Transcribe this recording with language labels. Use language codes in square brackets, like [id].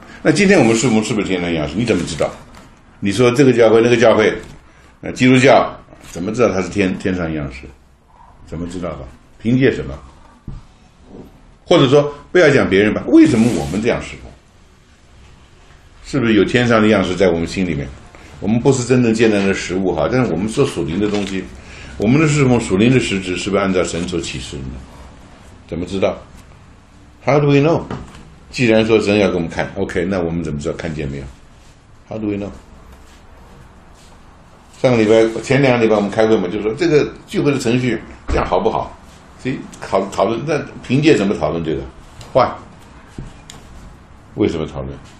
[zh] 那今天我们侍奉是不是天上的样式？你怎么知道？你说这个教会那个教会，基督教怎么知道它是天上样式？怎么知道的？凭借什么？或者说不要讲别人吧，为什么我们这样侍奉？是不是有天上的样式在我们心里面？我们不是真正见到的实物哈，但是我们说属灵的东西，我们的侍奉属灵的实质是不是按照神所启示的？怎么知道 ？ [en] How do we know？ [zh] 既然说神要给我们看 ，OK， 那我们怎么知道看见没有 ？ [en] How do we know？ [zh] 上个礼拜前两个礼拜我们开会嘛，就说这个聚会的程序这样好不好，所以讨论那凭借什么讨论这个话，为什么讨论？